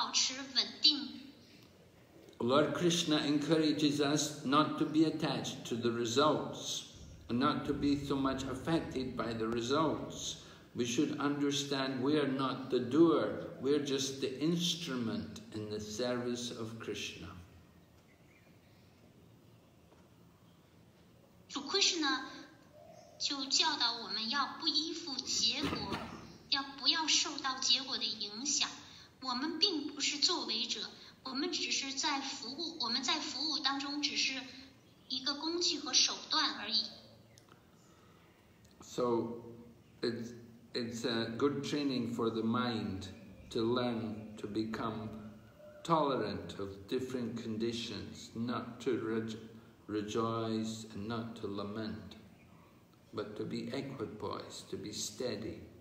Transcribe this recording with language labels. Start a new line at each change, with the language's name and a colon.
Chinese: 我们不超越二元性的话，就会受到这个结果的影响。当我们得到了想要的，就会开心；然后得不到呢，就会伤感悲叹。我们应当保持平衡、平和，还保持稳定。Lord
English: Krishna encourages us not to be attached to the results, and not to be so much affected by the results. We should understand we are not the doer, we are just the instrument in the service of Krishna.
Chinese: 主Krishna就教导我们要不依附结果，要不要受到结果的影响。我们并不是作为者，我们只是在服务，我们在服务当中只是一个工具和手段而已。
English: So, it's a good training for the mind to learn to become tolerant of different conditions, not to rejoice and not to lament, but to be equipoised, to be steady.